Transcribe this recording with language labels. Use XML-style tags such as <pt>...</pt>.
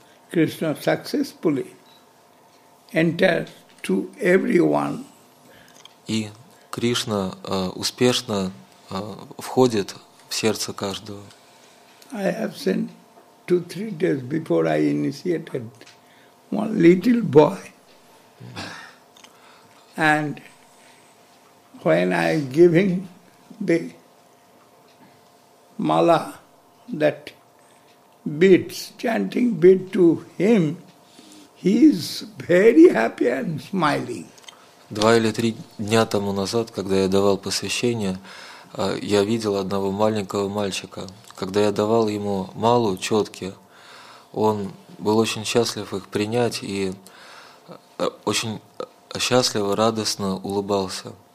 <en>Кришна successfully enters to everyone.</en> <ru>И Кришна успешно входит в сердце каждого.</ru> <en>I have seen 2-3 days before I initiated one little boy. And when I am giving the mala, that beads, chanting bead to him, he is very happy and smiling.</en> <ru>2 или 3 дня тому назад, когда я давал посвящение, я видел одного маленького мальчика. Когда я давал ему малу, четки, он был очень счастлив их принять и очень счастливо, радостно улыбался.</ru>